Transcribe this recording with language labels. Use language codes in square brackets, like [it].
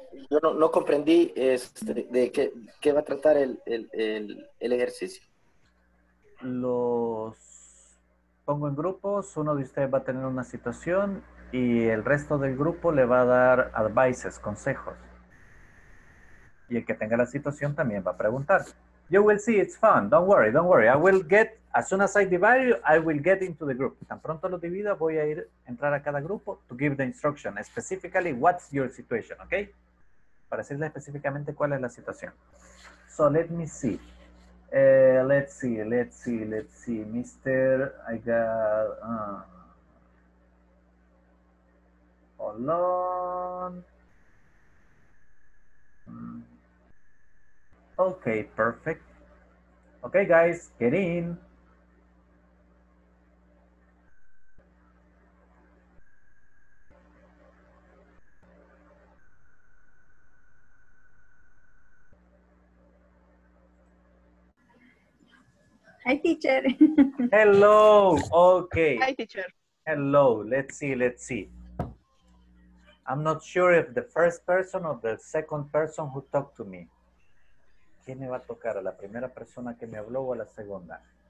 [es] Yo no comprendí de qué va a tratar el ejercicio. Los pongo en grupos, uno de ustedes va a tener una situación y el resto del grupo le va a dar advices, consejos. Y el que tenga la situación también va a preguntar. [en] You will see, it's fun, don't worry. I will get, as soon as I divide you, I will get into the group. [es] Tan pronto lo divida, voy a ir entrar a cada grupo [en] to give the instruction, specifically what's your situation, okay? [es] Para decirle específicamente cuál es la situación. [en] So let me see. Let's see. Mister, I got... Hold on. Okay, perfect. Okay, guys, get in. Hi, teacher. Hello. Okay. Hi, teacher. Hello. Let's see. I'm not sure if the first person or the second person who talked to me. [es] ¿Quién me va a tocar? ¿A la primera persona que me habló o a la segunda?